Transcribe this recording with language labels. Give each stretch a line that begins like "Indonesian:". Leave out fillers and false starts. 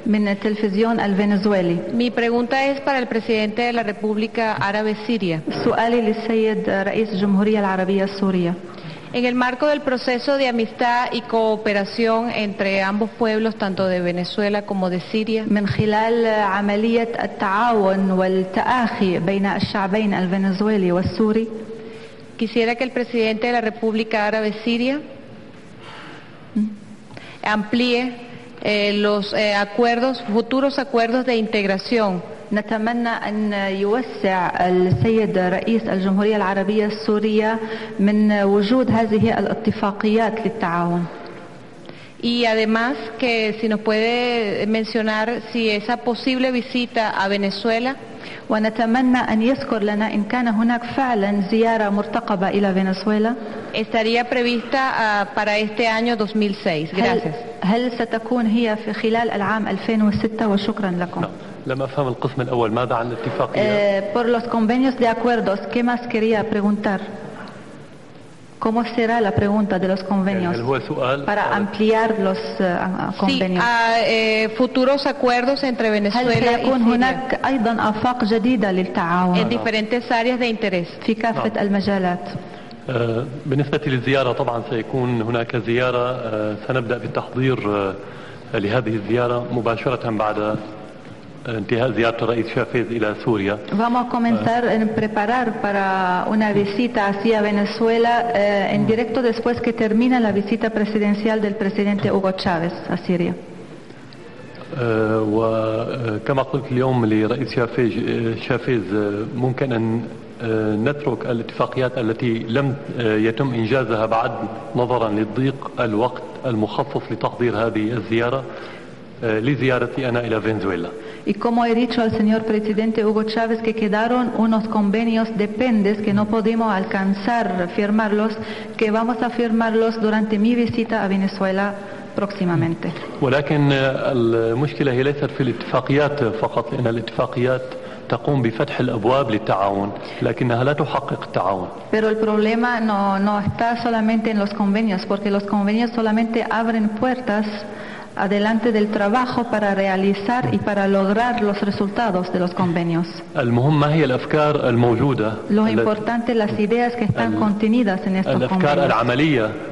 Arabic: Min Televisión al Venezueli.
Spanish: Mi pregunta es para el presidente de la República Árabe Siria.
Arabic: Su'ali li Sayyid Rais Jumhuriya al Arabiya Suria.
Spanish: En el marco del proceso de amistad y cooperación entre ambos pueblos, tanto de Venezuela como de Siria,
Arabic: من خلال عملية التعاون والتآخي بين الشعبين الفنزويلي والسوري,
Spanish: quisiera que el presidente de la República Árabe Siria amplíe los acuerdos, futuros acuerdos de integración.
Arabic: نتمنى أن يوسع السيد رئيس الجمهورية العربية السورية من وجود هذه الاتفاقيات للتعاون.
Spanish: Y además que si nos puede mencionar si esa posible visita a Venezuela.
Arabic: ونتمنى أن يذكر لنا إن كان هناك فعلا زيارة مرتقبة إلى فنزويلا.
Spanish: Estaría prevista para este año 2006. Gracias.
Arabic: هل ستكون هي في خلال العام 2006 وشكرا لكم. لم أفهم القسم الأول, ماذا عن الاتفاقية؟
Spanish: Por los convenios de acuerdos, ¿qué más quería preguntar? ¿Cómo será la pregunta de los convenios? Para ampliar los convenios. Sí, futuros acuerdos entre Venezuela y Siria.
Arabic: هناك أيضا آفاق جديدة للتعاون.
Spanish: En diferentes áreas de interés.
Arabic: في كافة المجالات. بالنسبة للزيارة, طبعا سيكون هناك زيارة, سنبدأ بالتحضير لهذه الزيارة مباشرة بعد انتهاء زيارة الرئيس شافيز إلى سوريا.
Spanish: Vamos a comenzar en preparar para una visita hacia Venezuela en directo después que termina la visita presidencial del presidente Hugo Chávez a Siria.
Arabic: وكما قلت اليوم لرئيس شافيز ممكن أن نترك الاتفاقيات التي لم يتم إنجازها بعد نظرا للضيق الوقت المخصص لتحضير هذه الزيارة لزيارتي أنا إلى فنزويلا.
Spanish: Y como he dicho al señor presidente Hugo Chávez que quedaron unos convenios dependientes que no pudimos alcanzar firmarlos, que vamos a firmarlos durante mi visita a Venezuela próximamente.
Arabic: ولكن المشكلة هي ليست في الاتفاقيات فقط, لأن الاتفاقيات تقوم بفتح الأبواب للتعاون لكنها لا تحقق التعاون.
Spanish: Pero el problema no está solamente en los convenios, porque los convenios solamente abren puertas adelante del trabajo para realizar y para lograr los resultados de los convenios. Lo importante son las ideas que están contenidas en estos convenios.